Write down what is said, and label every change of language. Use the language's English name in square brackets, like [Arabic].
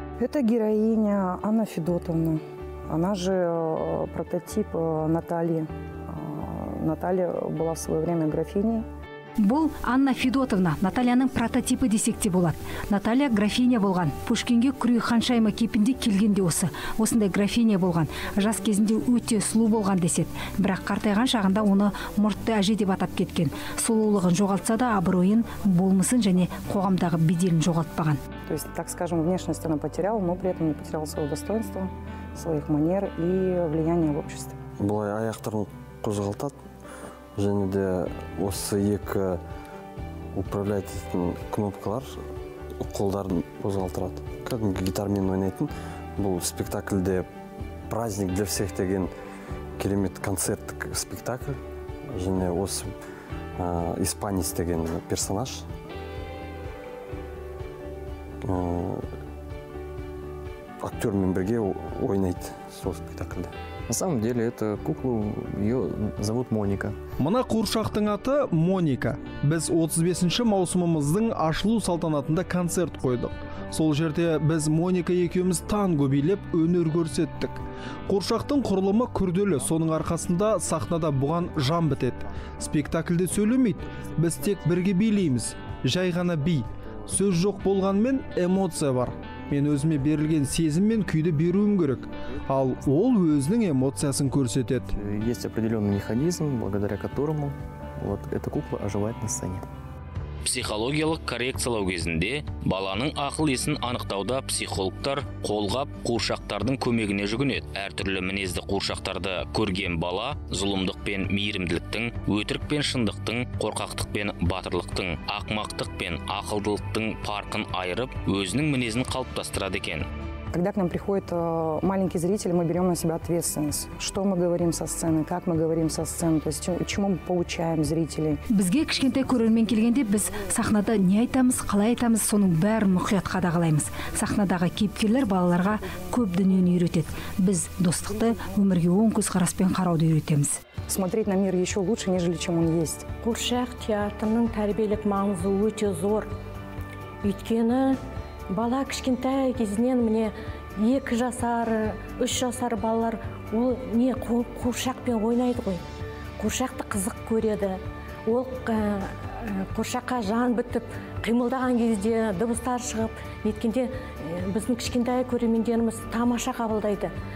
[Russian] Это героиня Анна Федотовна. Она же прототип Натальи. Наталья была в свое время графиней. [Kazakh] Бұл Анна Федотовна, Натальяның прототипі десек те болады. Наталья графиня болған. Пушкинге Күрей ханшайымы кейпінде келгенде осы. Осындай графиня болған. Жас кезінде өте сұлу болған десет. Бірақ қартайған шағында оны мұртты әже деп атап кеткен. Сұлулығын жоғалтса да абыройын, болмысын және қоғамдағы беделін жоғалтпаған. [Russian] То есть, так скажем, внешность она потеряла, но при этом не потеряла своего достоинства, своих манер и влияния в обществе. [Kazakh] Былай аяқтарын қозғалтады. Және де осы екі управлятын кнопкалар қолдарын қозғалтырады. Кәдімгі гитармен ойнайтын, бұл спектакльде [Russian] праздник для всех [Kazakh] деген керемет концерттік спектакль. Және осы испанец деген персонаж. Актермен бірге ойнайды сол спектакльде. [Russian] На самом деле это куклу, ее зовут Моника. [Kazakh] Мына қуыршақтың аты Моника. Біз 35-ші маусымымыздың ашылу салтанатында концерт қойдық. Сол жерде біз Моника екеуміз танго билеп өнер көрсеттік. Қуыршақтың құрылымы күрделі, соның арқасында сахнада бұған жан бітеді. Спектакльде сөйлемейді, біз тек бірге билейміз, жай ғана би. Сөз жоқ болғанмен эмоция бар. Мен өзіме берілген сезім мен күйді беруім керек. Ал ол өзінің эмоциясын көрсетеді. [Russian] Есть определенный механизм, благодаря которому вот эта кукла оживает на сцене. [Kazakh] Психологиялық коррекциялау кезінде баланың ақыл-есін анықтауда психологтар қолғап қуыршақтардың көмегіне жүгінеді. Әртүрлі мінезді қуыршақтарды көрген бала зұлымдық пен мейірімділіктің, өтірік пен шындықтың, қорқақтық пен батырлықтың, ақымақтық пен ақылдылықтың парқын айырып, өзінің мінезін қалыптастырады екен. [Russian] Когда к нам приходит маленький зритель, мы берем на себя ответственность. Что мы говорим со сцены, как мы говорим со сцены, то есть чему мы получаем зрителей. [Kazakh] Бізге кішкентай көрермен келгенде, біз сахнада не айтамыз, қалай айтамыз, соның бәрін мұқият қадағалаймыз. Сахнадағы кейіпкерлер балаларға көп дүниені үйретеді. Біз достықты өмірге оң көзқараспен қарауды үйретеміз. [Russian] Смотреть на мир еще лучше, нежели чем он есть. [Kazakh] Қуыршақ театрының тәрбиелік маңызы өте зор. Өйткені бала кішкентай кезінен мне 2 жасар, 3 жасар балалар, ол не, қуыршақпен ойнайды ғой. куршақты қызық көреді. Ол куршаққа жан бітіп, қимылдаған кезде дыбыстар шығып, неткенде біздің кішкентай көрермендеріміз тамаша қабылдайды.